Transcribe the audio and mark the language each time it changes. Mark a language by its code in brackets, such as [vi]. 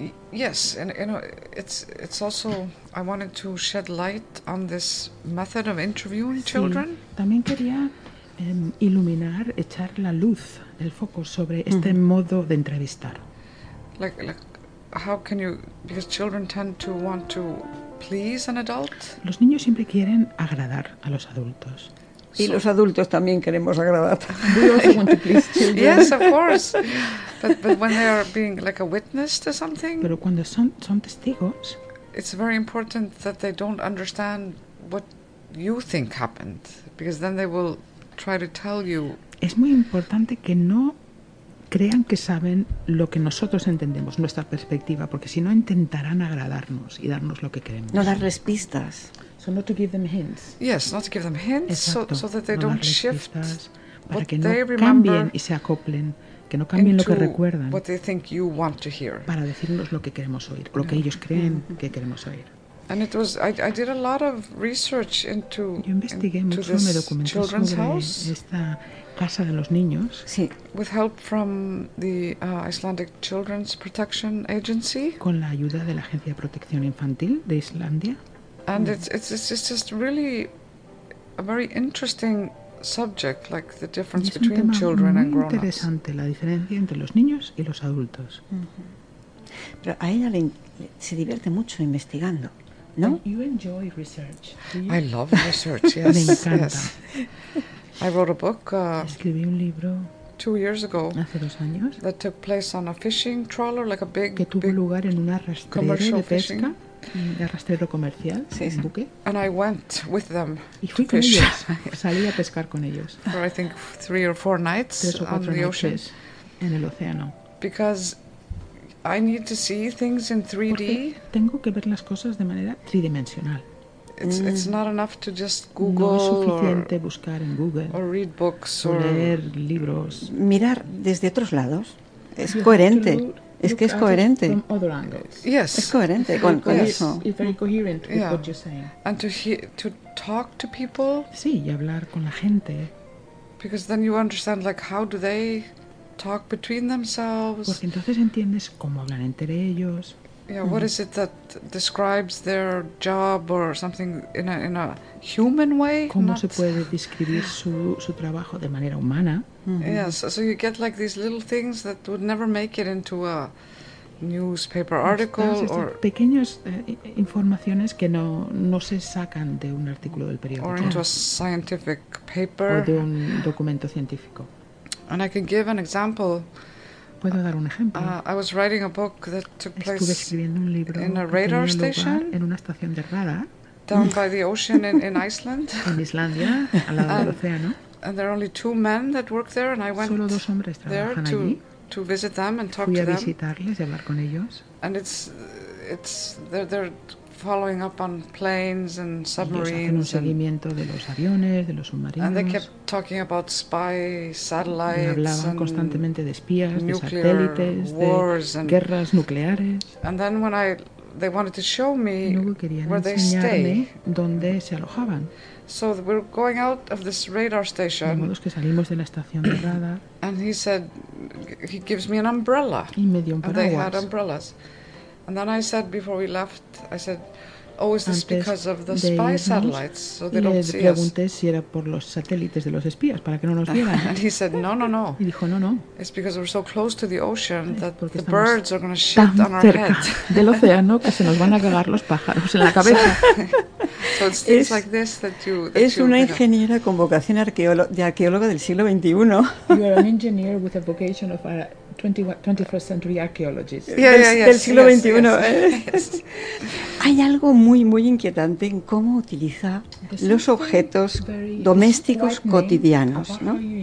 [en] Yes, and you know, it's also I wanted to shed light on this method of interviewing children. [es] Sí, también quería iluminar, echar la luz, el foco sobre este modo de entrevistar. [en] Like how can you, because children tend to want to please an adult. [es] Los niños siempre quieren agradar a los adultos. Y los adultos también queremos agradar. [en] We also want to please children. Yes, of course. But when they are being like a witness to something. [es] Pero cuando son testigos. [en] It's very important that they don't understand what you think happened, because then they will try to tell you. [es] Es muy importante que no crean que saben lo que nosotros entendemos, nuestra perspectiva, porque si no intentarán agradarnos y darnos lo que queremos. No darles pistas. [en] So not to give them hints. Yes, not to give them hints. [es] Exacto. [en] So that they don't shift. [es] Para que no cambien y se acoplen, que no cambien lo que recuerdan. [en] What they think you want to hear. [es] Para decirnos lo que queremos oír, lo que ellos creen que queremos oír. [en] And it was I did a lot of research into. [es] Yo investigué mucho, me documenté sobre esta casa de los niños. Sí. [en] With help from the Icelandic Children's Protection Agency. [es] Con la ayuda de la Agencia de Protección Infantil de Islandia. [en] And it's just really a very interesting subject, like the difference between children and grown-ups. [es] Es interesante la diferencia entre los niños y los adultos. Pero a ella se divierte mucho investigando. No? [en] You enjoy research. I love research. Yes. [es] Me encanta. [en] Yes. I wrote a book. [es] Escribí un libro [en] 2 years ago. [es] Hace 2 años. [en] That took place on a fishing trawler, like a big. [es] Que tuvo [en] big [es] lugar en un arrastrero de pesca. De arrastrero comercial. Sí, en buque. [en] And I went with them. [es] Y fui con ellos. Salí a pescar con ellos. [en] For I think 3 or 4 nights on the ocean. [es] En el océano. [en] Because I need to see things in 3D. [es] Tengo que ver las cosas de manera tridimensional. [en] It's not enough to just Google. [es] No es suficiente buscar en Google. [en] Or read books [es] o leer libros. Mirar desde otros lados. Es coherente. Es que es coherente. [en] From other angles. Yes. [es] Es coherente con eso. [en] It's very coherent with what you're saying. And to talk to people. [es] Sí, y hablar con la gente. [en] Because then you understand like how do they talk between themselves. [es] Porque entonces entiendes cómo hablan entre ellos. [en] Yeah, what is it that describes their job or something in a human way? [es] ¿Cómo se puede describir su trabajo de manera humana? Mm-hmm. [en] Yeah, so you get like these little things that would never make it into a newspaper article or [es] pequeños informaciones que no se sacan de un artículo del periódico [en] or into a scientific paper [es] o de un documento científico. [en] And I can give an example. [es] ¿Puedo dar un ejemplo? [en] I was writing a book that took place. [es] Estuve escribiendo un libro [en] in a radar station [es] en una estación de radar [en] down by the ocean in Iceland. [es] En Islandia, al lado del océano. [en] And there are only two men that work there, and I went [es] solo dos hombres trabajan [en] there to visit them and talk [es] fui [en] to them. [es] Fui a visitarles y hablar con ellos. [en] And it's they're following up on planes and submarines. [es] Ellos hacen un seguimiento de los aviones, de los submarinos. [en] And they kept talking about spy satellites. [es] Y hablaban constantemente de espías, de satélites, de guerras nucleares. [en] And then when they wanted to show me where they stay, [es] dónde se alojaban. [en] So we're going out of this radar station. [es] De modo que salimos de la estación de radar. [en] And he said he gives me an umbrella. [es] Y me dio un paraguas. [en] And they had umbrellas. And then I said before we left, I said, "Oh, is this [es] antes [en] because of the spy satellites, so they don't see us?" [es] Le pregunté si era por los satélites de los espías para que no nos vieran. [en] And he said, "No, no, no." [es] Y dijo, "No, no." [en] It's because we're so close to the ocean that the birds are going to shit on our heads. [es] Del océano que se nos van a cagar los pájaros en la cabeza. [en] So it's things [es] es, [en] like this that you. That [es] es [en] you [es] una ingeniera con vocación de arqueóloga del siglo XXI. [en] You are an engineer with a vocation of a 21st century archaeologist. Yeah, [es] del siglo XXI. [en] Yes. [es] Hay algo muy, muy inquietante en cómo utiliza los objetos domésticos cotidianos, ¿no?